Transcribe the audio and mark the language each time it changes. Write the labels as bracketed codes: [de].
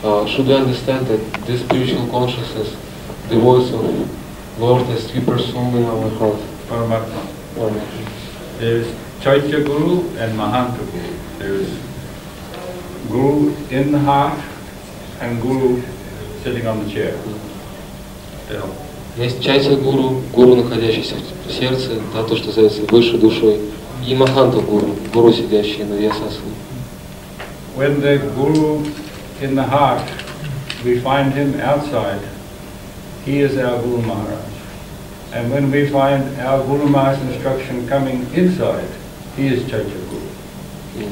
[en] Should we understand that this spiritual consciousness, the voice of Lord is supersonic in our heart? Paramatma. There is Chaitya Guru and Mahanta Guru. Guru in the heart and Guru sitting on the chair. [ru] Есть Чайтья Гуру, Гуру, находящийся в сердце, да, то, что называется Высшей Душой, и Маханта Гуру, Гуру, сидящий на Вьясасане. [en] when the guru in the heart, we find him outside, he is our Guru Maharaj. And when we find our Guru Maharaj's instruction coming inside, he is Chaitya Guru.